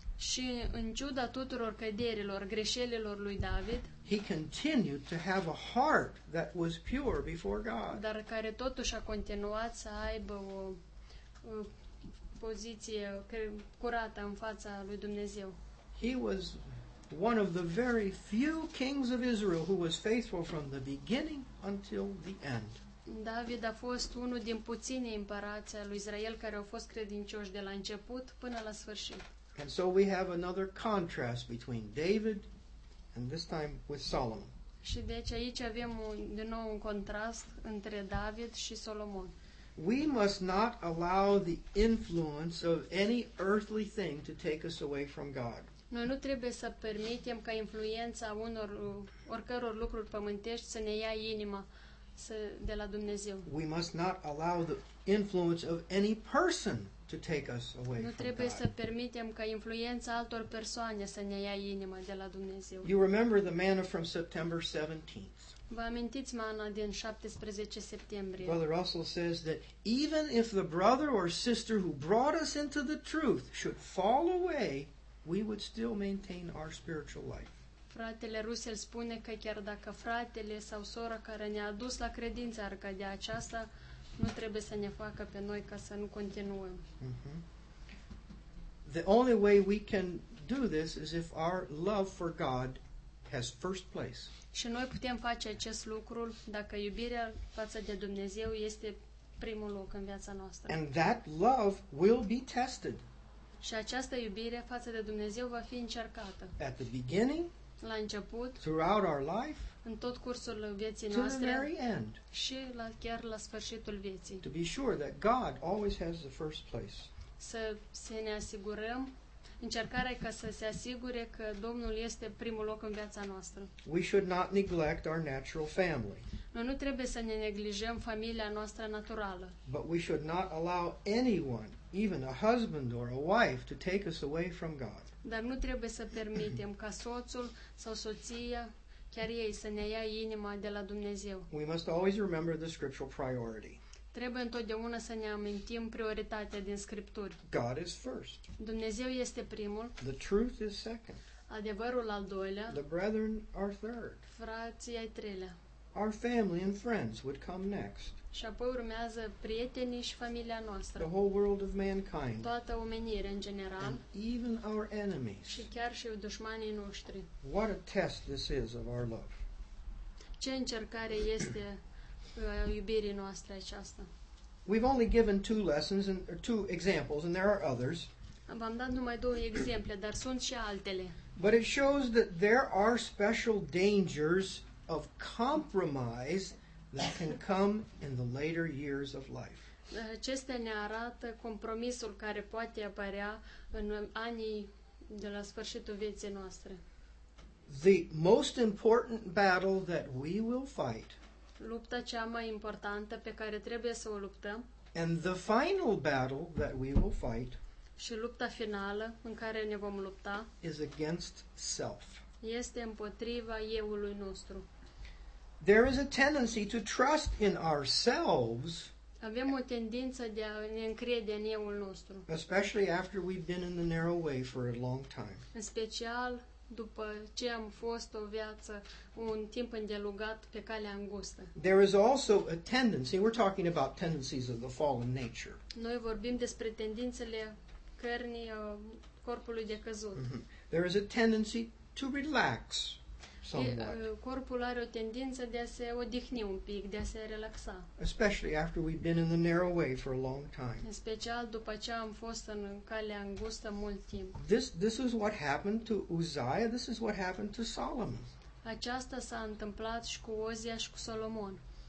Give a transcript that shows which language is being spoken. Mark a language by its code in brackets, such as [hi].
[ro] și în ciuda tuturor căderilor, greșelilor lui David, [en] he continued to have a heart that was pure before God. [ro] Dar care totuși a continuat să aibă o poziție curată în fața lui Dumnezeu. [en] He was one of the very few kings of Israel who was faithful from the beginning until the end. [ro] David a fost unul din puținii împărați al lui Israel care au fost credincioși de la început până la sfârșit. [en] And so we have another contrast between David and this time with Solomon. [ro] Și deci aici avem din nou un contrast între David și Solomon. [en] We must not allow the influence of any earthly thing to take us away from God. [ro] Noi nu trebuie să permitem ca influența unor oricăror lucruri pământești să ne ia inima de la Dumnezeu. [en] We must not allow the influence of any person to take us away from God. [ro] Nu trebuie să permitem ca influența altor persoane să ne ia inima de la Dumnezeu. [en] You remember the manna from September 17th. [ro] Vă amintiți mana din 17 septembrie? [en] Brother Russell says that even if the brother or sister who brought us into the truth should fall away, we would still maintain our spiritual life. [ro] Fratele Russell spune că chiar dacă fratele sau sora care ne-a adus la credință ar cădea, aceasta nu trebuie să ne facă pe noi ca să nu continuăm. Mm-hmm. [en] The only way we can do this is if our love for God has first place. [ro] Și noi putem face acest lucru dacă iubirea față de Dumnezeu este primul loc în viața noastră. [en] And that love will be tested. [ro] Și această iubire față de Dumnezeu va fi încercată. [en] At the beginning, [ro] la început, [en] throughout our life, [ro] în tot cursul vieții [en] to [ro] noastre, [en] the very end, [ro] și la, chiar la sfârșitul vieții. [en] To be sure that God always has the first place. [ro] Să ne asigurăm. Încercarea e ca să se asigure că Domnul este primul loc în viața noastră. [en] We should not neglect our natural family. [ro] Noi nu trebuie să ne neglijăm familia noastră naturală. [en] But we should not allow anyone, even a husband or a wife, to take us away from God. [ro] Dar nu trebuie să permitem ca soțul sau soția, chiar ei, să ne ia inima de la Dumnezeu. [en] We must always remember the scriptural priority. [ro] Trebuie întotdeauna să ne amintim prioritatea din Scripturi. [en] God is first. [ro] Dumnezeu este primul. [en] The truth is second. [ro] Adevărul al doilea. [en] The brethren are third. [ro] Frații ai treilea. [en] Our family and friends would come next. [ro] Și apoi urmează prietenii și familia noastră. [en] The whole world of mankind. [ro] Toată omenirea în general. [en] And even our enemies. [ro] Și chiar și dușmanii noștri. [en] What a test this is of our love. [ro] Ce încercare este iubirii noastre aceasta. [en] We've only given two lessons and or two examples and there are others. [ro] V-am dat numai două exemple, dar sunt și altele. [en] But it shows that there are special dangers of compromise that can come in the later years of life. [ro] Acestea ne arată compromisul care poate apărea în anii de la sfârșitul vieții noastre. [en] The most important battle that we will fight. [ro] Lupta cea mai importantă pe care trebuie să o luptăm. [en] And the final battle that we will fight. [ro] Și lupta finală în care ne vom lupta. [en] Is against self. [ro] Este împotriva eu-ului nostru. [en] There is a tendency to trust in ourselves. [ro] Avem o tendință de a ne încrede în eu-ul nostru. [en] Especially after we've been in the narrow way for a long time. [ro] În special după ce am fost o viață, un timp îndelungat pe calea îngustă. [en] There is also a tendency, we're talking about tendencies of the fallen nature. [ro] Noi vorbim despre tendințele cărnii corpului decăzut. Mm-hmm. [en] There is a tendency to relax somewhat. [ro] Corpul are o tendință de a se odihni un pic, de a se relaxa. [en] Especially after we've been in the narrow way for a long time. [ro] În special după ce am fost în calea îngustă mult timp. [en] This is what happened to Uzziah, this is what happened to Solomon. [ro] Aceasta s-a întâmplat și cu Ozia și cu Solomon.